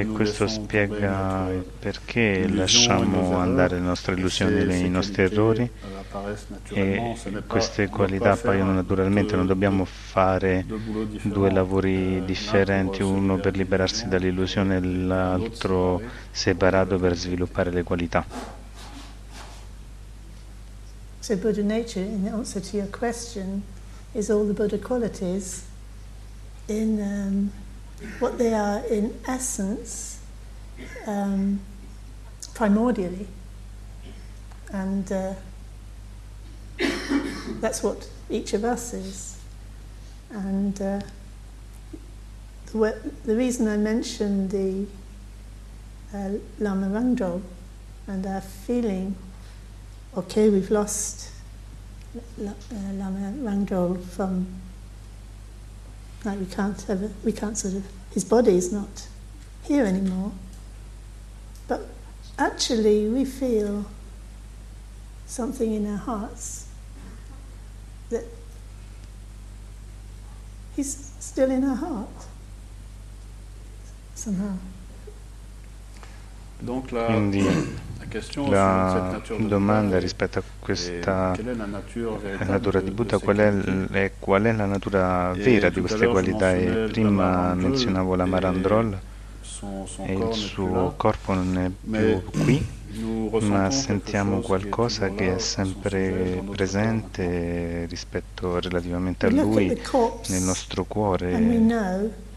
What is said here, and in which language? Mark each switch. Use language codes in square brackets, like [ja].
[it] e questo spiega perché lasciamo andare le nostre illusioni e i nostri errori e queste qualità appaiono naturalmente, non dobbiamo fare due lavori differenti, uno per liberarsi dall'illusione e l'altro separato per sviluppare le qualità. [en] So Buddha nature, in answer to your question, is all the Buddha qualities in what they are in essence, primordially, and that's what each of us is. And the reason I mentioned the Lama Rangdrol and our feeling, okay, we've lost Lama Rangdrol from, like, we can't his body is not here anymore. But actually, we feel something in our hearts that he's still in our heart, somehow. [fr] Donc là. La [it] domanda rispetto a questa natura di Buddha qual è la natura vera di queste qualità? E prima menzionavo la Marandrol e il suo corpo non è più qui, ma sentiamo qualcosa che è sempre presente rispetto relativamente a lui nel nostro cuore.